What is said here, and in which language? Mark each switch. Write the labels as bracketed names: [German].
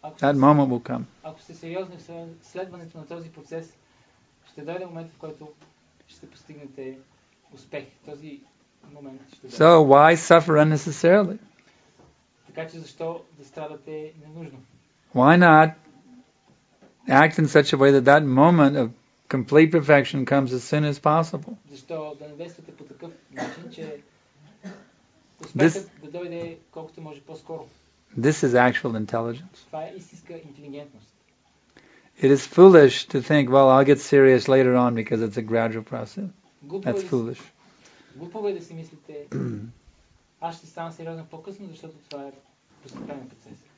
[English] That moment will come. [Bulgarian] Ако сте сериозни в следването на този процес, ще дойде момент, в който ще постигнете успех. Този момент ще дойде. [English] So why suffer unnecessarily? [Bulgarian] Така че защо да страдате ненужно? [English] Why not act in such a way that that moment of complete perfection comes as soon as possible? [Bulgarian] Защо да не действате по такъв начин, че успехът да дойде колкото може по-скоро? [English] This is actual intelligence. [Bulgarian] Това е истинска интелигентност. [English] It is foolish to think, well, I'll get serious later on because it's a gradual process. That's foolish. [Bulgarian] Глупове да си мислите, аз ще стана сериозен по-късно, защото това е постепенен процес.